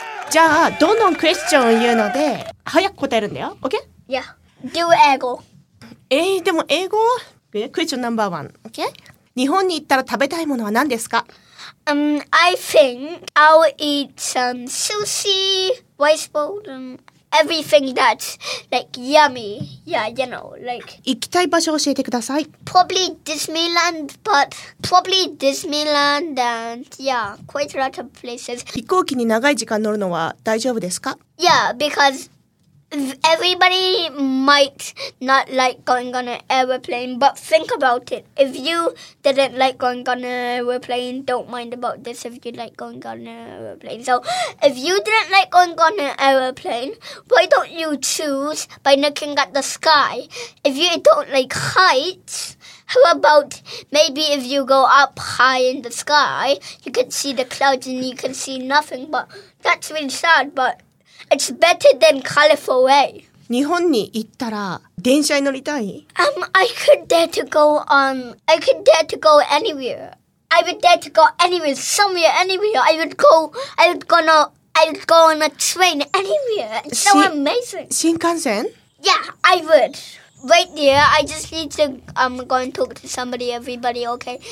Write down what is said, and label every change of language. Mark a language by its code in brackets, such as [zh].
[ja] じゃあどんどんクエスチョンを言うので早く答えるんだよ。 [en] OK? Yeah. Do 英語。 [ja] でも英語クエスチョンナンバーワン。 [en] OK? [ja] 日本に行ったら食べたいものは何ですか？ [en] I think I'll eat some sushi, rice bowl, and everything that's like yummy. Yeah, you know, like [ja] 行きたい場所を教えてください。 [en] Probably Disneyland, but probably Disneyland and yeah, quite a lot of places. [ja] 飛行機に長い時間乗るのは大丈夫ですか？ [en] Yeah, because everybody might not like going on an airplane, but think about it. If you didn't like going on an airplane, don't mind about this if you like going on an airplane. So if you didn't like going on an airplane, why don't you choose by looking at the sky? If you don't like heights... How about maybe if you go up high in the sky, you can see the clouds and you can see nothing, but that's really sad, but it's better than colorful way. [ja] 日本に行ったら電車に乗りたい? [en] I could dare to go anywhere. I would dare to go anywhere, somewhere, anywhere. I would go on a train anywhere. It's so amazing. [ja] 新幹線? [en] Yeah, I would. Right there, I just need to go and talk to somebody, everybody, okay?